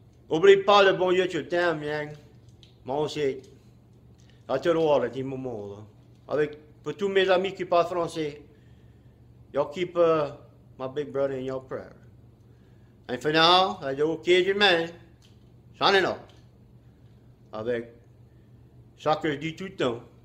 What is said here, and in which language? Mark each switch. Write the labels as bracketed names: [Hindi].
[French] Oublie pas le bon Dieu, tu t'aimes, bien. Moi aussi. À te voir, le petit moment, là. Avec pour tous mes amis qui parlent français. [English] Y'all keep my big brother in your prayer. And for now, I do Cajun man, signing off. [French] Avec ça que je dis tout le temps.